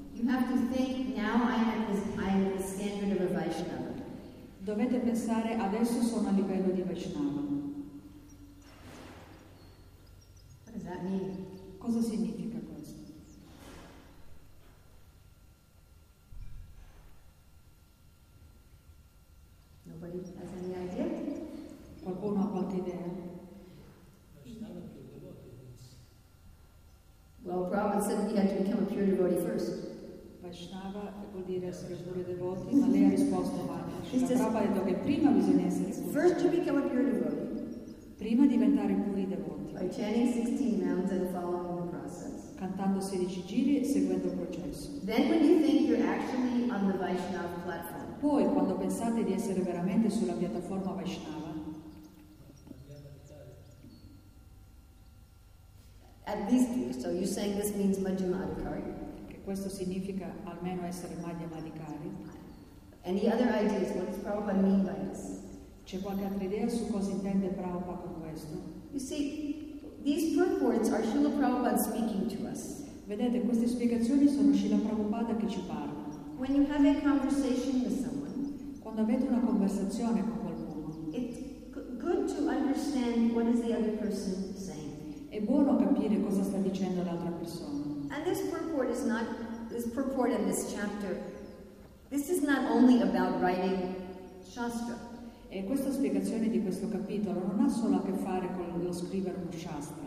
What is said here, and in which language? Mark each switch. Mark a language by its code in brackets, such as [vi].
[en] You have to think, now I am the standard of a Vaishnava. [it] Dovete pensare, adesso sono a livello di Vaishnava. [en] What does that mean? [it] Cosa significa questo? [en] Nobody has any idea? [it] Qualcuno ha qualche idea? [en] Well, Prabhupada said he had to become a pure devotee first. [it] Vaishnava vuol dire essere pure devoti, ma lei ha risposto a Prabhupada, ha detto che prima bisogna essere [en] pure. First to become a pure devotee. [it] Prima diventare puri devoti. [en] By chanting 16 mounds and following the process. [it] Cantando 16 giri e seguendo il processo. [en] Then when you think you're actually on the Vaishnava platform. [it] Poi quando pensate di essere veramente sulla piattaforma Vaishnava. [en] At least, so you're saying this means Majjhimadikari. [it] Questo significa almeno essere Madhya Madhikari. [en] Any other ideas? What does Prabhupada mean by this? [it] C'è qualche altra idea su cosa intende Prabhupada con questo? [en] You see, these purports are Srila Prabhupada speaking to us. [it] Vedete, queste spiegazioni sono Srila Prabhupada che ci parla. [en] When you have a conversation with someone, [it] quando avete una conversazione con qualcuno, [en] it's good to understand what is the other person saying. [it] È buono capire cosa sta dicendo l'altra persona. [en] And this purport is not, this purport in this chapter, this is not only about writing shastra. [it] E questa spiegazione di questo capitolo non ha solo a che fare con lo scrivere un shastra.